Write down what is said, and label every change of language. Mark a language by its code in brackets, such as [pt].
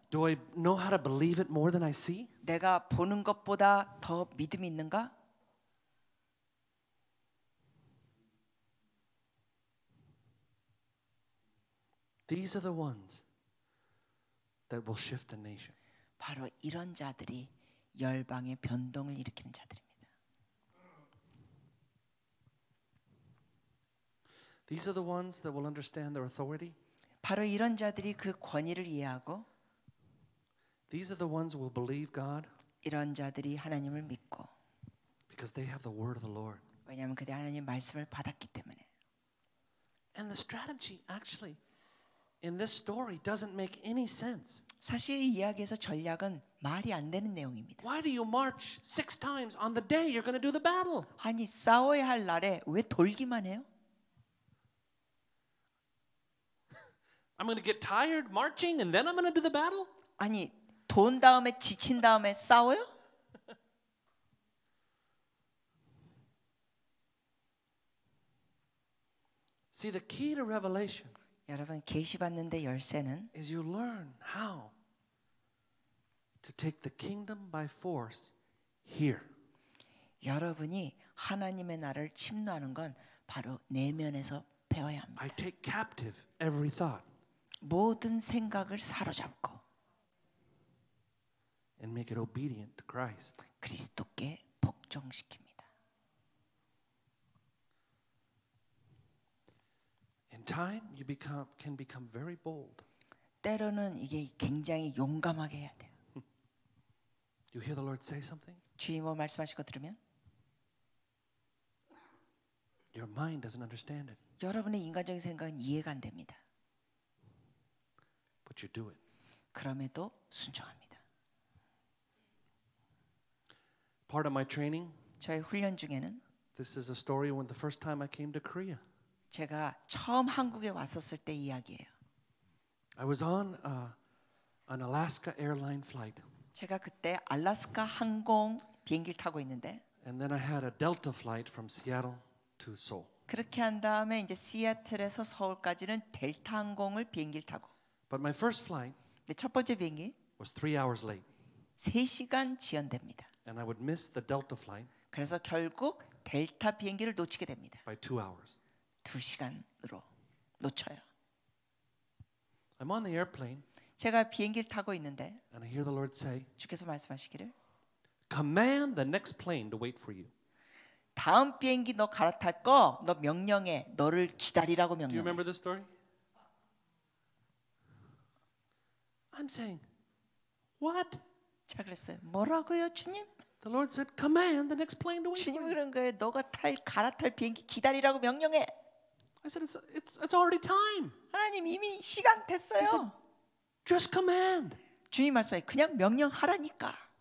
[en] Do I know how to believe it more than I see? [ko] 내가 보는 것보다 더 믿음이 있는가? [en] These are the ones that will shift the nation. [ko] 바로 이런 자들이 열방의 변동을 일으키는 자들입니다. [en] These are the ones that will understand their authority. [ko] 바로 이런 자들이 그 권위를 이해하고 [en] These are the ones who will believe God. [ko] 이런 자들이 하나님을 믿고 [en] Because they have the word of the Lord. [ko] 왜냐하면 그들이 하나님 말씀을 받았기 때문에. [en] And the strategy actually in this story doesn't make any sense. [ko] 사실 이 이야기에서 전략은 말이 안 되는 내용입니다. [en] Why do you march six times on the day you're going to do the battle? [ko] 아니 싸워야 할 날에 왜 돌기만 해요? [en] I'm going to get tired marching and then I'm going to do the battle? [ko] 아니 돈 다음에 지친 다음에 싸워요? [en] See the key to revelation. [ko] 여러분 계시 받는데 열쇠는 [en] is you learn how to take the kingdom by force here. [ko] 여러분이 하나님의 나라를 침노하는 건 바로 내면에서 배워야 합니다. [en] I take captive every thought. [ko] 모든 생각을 사로잡고 [en] and make it obedient to Christ. [ko] 그리스도께 복종시킵니다. [en] In time you become can become very bold. [ko] 때로는 이게 굉장히 용감하게 해야 돼요. [en] You hear the Lord say something? [ko] 주님 뭐 말씀하시고 들으면 [en] Your mind doesn't understand it. [ko] 여러분의 인간적인 생각은 이해가 안 됩니다. [en] But you do it. [ko] 그럼에도 순종합니다. [en] Part of my training. [ko] 저의 훈련 중에는. [en] This is a story when the first time I came to Korea. [ko] 제가 처음 한국에 왔었을 때 이야기예요. [en] I was on an Alaska airline flight. [ko] 제가 그때 알래스카 항공 비행기를 타고 있는데. [en] And then I had a Delta flight from Seattle to Seoul. [ko] 그렇게 한 다음에 이제 시애틀에서 서울까지는 델타 항공을 비행기를 타고. [en] But my first flight. [ko] 내 첫 번째 비행기. [en] Was 3 hours late. [ko] 3시간 지연됩니다. [en] And I would miss the Delta flight. [ko] 그래서 결국 델타 비행기를 놓치게 됩니다. [en] By 2 hours. [ko] 2시간으로 놓쳐요. [en] I'm on the airplane. [ko] 제가 비행기를 타고 있는데. [en] And I hear the Lord say. [ko] 주께서 말씀하시기를. [en] Command the next plane to wait for you. [ko] 다음 비행기 너 갈아탈 거 너 명령해 너를 기다리라고 명령해. [en] Do you remember the story? I'm saying, what? [ko] 자 그랬어요. 뭐라고요, 주님? [en] The Lord said, "Command the next plane to wait." [ko] 주님이 그런 거예요. 너가 탈 갈아탈 비행기 기다리라고 명령해. [en] I said, "It's already time." [ko] 하나님 이미 시간 됐어요. [en] He said, "Just command." [ko] 주님 말씀에 그냥 명령하라니까.